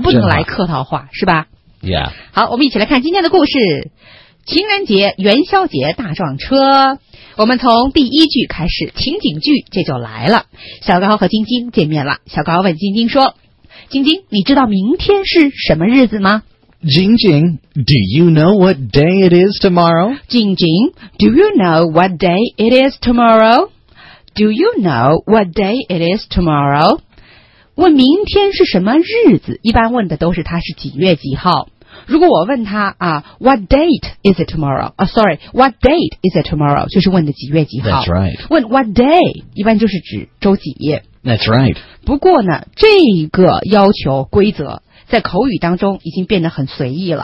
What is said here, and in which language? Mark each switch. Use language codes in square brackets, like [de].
[zh] 不能来客套话是吧？ [en] Yeah. [zh] 好，我们一起来看今天的故事。情人节元宵节大撞车，我们从第一句开始，情景剧这就来了。小高和晶晶见面了，小高问晶晶说，晶晶你知道明天是什么日子吗？ [en] 晶晶 Do you know what day it is tomorrow? 晶晶 Do you know what day it is tomorrow? Do you know what day it is tomorrow? [zh] 问明天是什么日子，一般问的都是他是几月几号。如果我问他啊 [en] ，What date is it tomorrow？ 啊、，sorry， What date is it tomorrow？ [zh] 就是问的几月几号。 [en] That's right。 [zh] 问 [en] What day [zh] 一般就是指周几。 [en] That's right。 [zh] 不过呢，这个要求规则在口语当中已经变得很随意了。